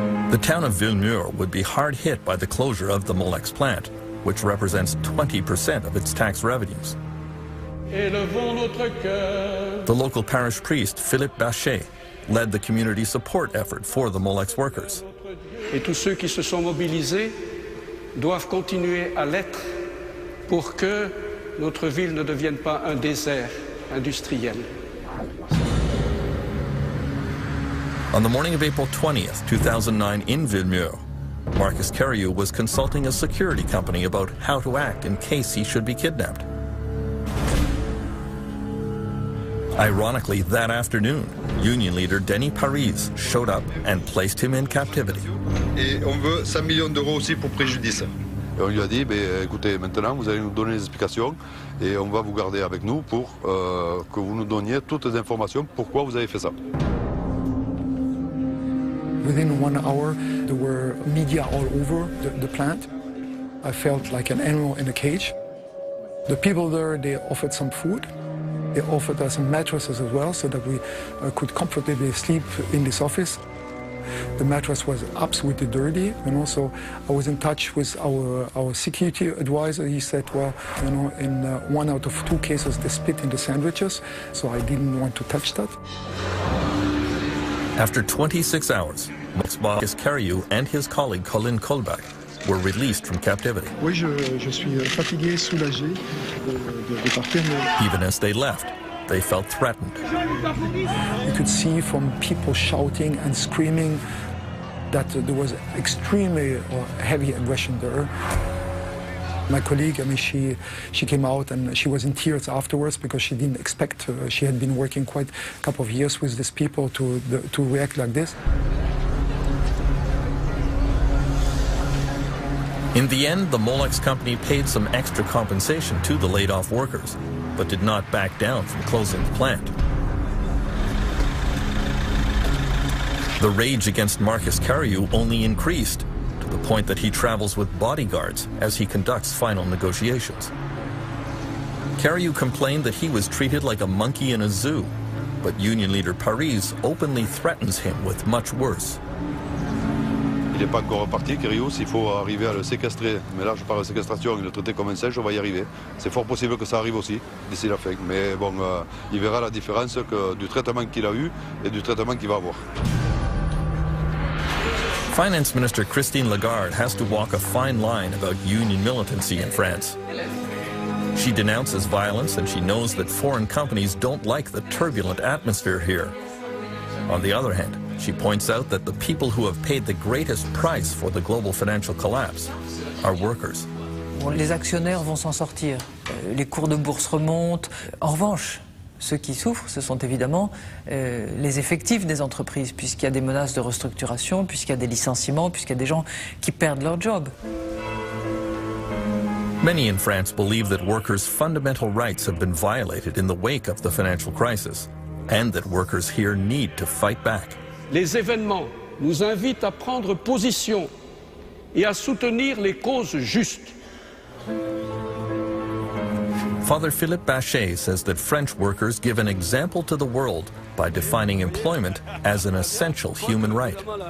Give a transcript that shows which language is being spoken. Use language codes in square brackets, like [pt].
[en] The town of Villemur would be hard hit by the closure of the Molex plant, which represents 20% of its tax revenues. The local parish priest, Philippe Bachet, led the community support effort for the Molex workers. [fr] Et tous ceux qui se sont mobilisés doivent continuer à l'être pour que notre ville ne devienne pas un désert industriel. [en] On the morning of April 20th, 2009, in Villemur, Marcus Carriou was consulting a security company about how to act in case he should be kidnapped. Ironically, that afternoon, union leader Denny Paris showed up and placed him in captivity. [fr] Et on veut 5 millions d'euros aussi pour préjudice. Et on lui a dit, ben, écoutez, maintenant vous allez nous donner des explications et on va vous garder avec nous pour que vous nous donniez toutes les informations pourquoi vous avez fait ça. [en] Within 1 hour, there were media all over the plant. I felt like an animal in a cage. The people there, they offered some food. They offered us some mattresses as well so that we could comfortably sleep in this office. The mattress was absolutely dirty, and also I was in touch with our security advisor. He said, well, you know, in 1 out of 2 cases, they spit in the sandwiches, so I didn't want to touch that. After 26 hours, Max Marcus Carriou and his colleague Colin Kolbach were released from captivity. [fr] Oui, je suis fatigué, soulagé de partir, mais... [en] Even as they left, they felt threatened. You could see from people shouting and screaming that there was extremely heavy aggression there. My colleague, I mean, she came out and she was in tears afterwards because she didn't expect, she had been working quite a couple of years with these people to react like this. In the end, the Molex company paid some extra compensation to the laid off workers, but did not back down from closing the plant. The rage against Marcus Carriou only increased to the point that he travels with bodyguards as he conducts final negotiations. Carriou complained that he was treated like a monkey in a zoo, but union leader Paris openly threatens him with much worse. [fr] Il n'est pas encore parti, Carriou. S'il faut arriver à le séquestrer, mais là je parle de séquestration, il le traitait comme un singe, on va y arriver. C'est fort possible que ça arrive aussi d'ici la fin. Mais bon, il verra la différence que, du traitement qu'il a eu et du traitement qu'il va avoir. [en] Finance Minister Christine Lagarde has to walk a fine line about union militancy in France. She denounces violence and she knows that foreign companies don't like the turbulent atmosphere here. On the other hand, she points out that the people who have paid the greatest price for the global financial collapse are workers. [fr] Bon, les actionnaires vont s'en sortir. Les cours de bourse remontent. En revanche, ceux qui souffrent, ce sont évidemment les effectifs des entreprises, puisqu'il y a des menaces de restructuration, puisqu'il y a des licenciements, puisqu'il y a des gens qui perdent leur job. [en] Many in France believe that workers' fundamental rights have been violated in the wake of the financial crisis, and that workers here need to fight back. [fr] Les événements nous invitent à prendre position et à soutenir les causes justes. [en] Father Philippe Bachet says that French workers give an example to the world by defining employment as an essential human right.